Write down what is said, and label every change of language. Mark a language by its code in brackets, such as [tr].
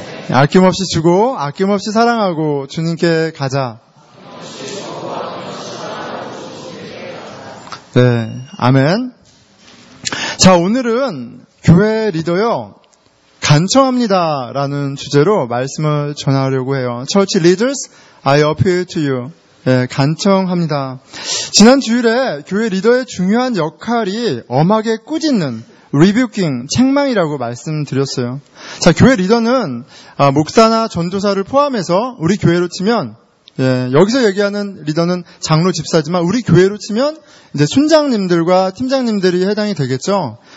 [ko] 아낌없이 주고 아낌없이 사랑하고 주님께 가자. 네, 아멘. 자, 오늘은 교회 리더요 간청합니다 라는 주제로 말씀을 전하려고 해요. [en] Church leaders, I appeal to you. [ko] 예, 간청합니다. 지난 주일에 교회 리더의 중요한 역할이 엄하게 꾸짖는 rebuking, 책망이라고 말씀드렸어요. 자, 교회 리더는 목사나 전도사를 포함해서 우리 교회로 치면 예, 여기서 얘기하는 리더는 장로 집사지만 우리 교회로 치면 이제 순장님들과 팀장님들이 해당이 되겠죠.